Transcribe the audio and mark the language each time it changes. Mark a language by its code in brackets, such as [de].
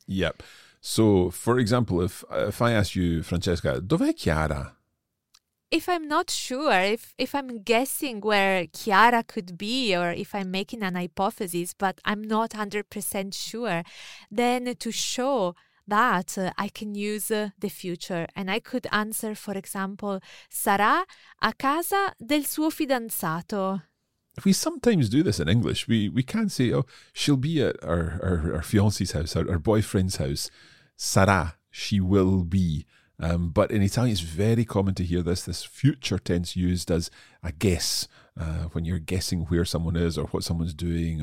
[en] Yep. So, for example, if I ask you, Francesca, [it] dov'è Chiara? [en] If I'm not sure, if I'm guessing where Chiara could be, or if I'm making an hypothesis, but I'm not 100% sure, then to show that I can use the future. And I could answer, for example, [it] sarà a casa del suo fidanzato. [en] We sometimes do this in English. We can say, oh, she'll be at our fiancé's house, our boyfriend's house. Sarà, she will be. But in Italian, it's very common to hear this future tense used as a guess, when you're guessing where someone is or what someone's doing.